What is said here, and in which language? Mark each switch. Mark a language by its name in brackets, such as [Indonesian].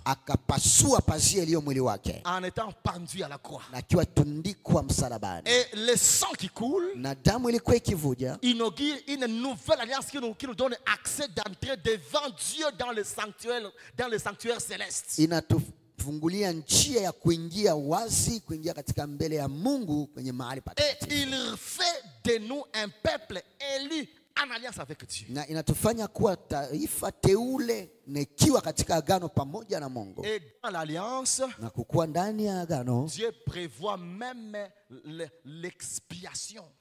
[Swahili] Akapasua pazia iliyo mwili wake. [French] En étant pendu à la croix. [Swahili] Na kiwa tundikwa msalabani. [French] Et le sang qui coule. [Swahili] Na damu ilikuwa ikivuja. [French] Inaugure une nouvelle alliance qui nous donne accès d'entrée devant Dieu dans le sanctuaire céleste. [Swahili] Inatufungulia njia ya kuingia wazi kuingia katika mbele ya Mungu kwenye mahali patakatifu. [French] Et il fait de nous un peuple élu en alliance avec Dieu. [Swahili] Na inatufanya kuwa taifa teule nekiwa katika agano pamoja na Mungu. [French] Et dans l'alliance, [Swahili] na kukua ndani ya agano, [French] Dieu prévoit même l'expiation.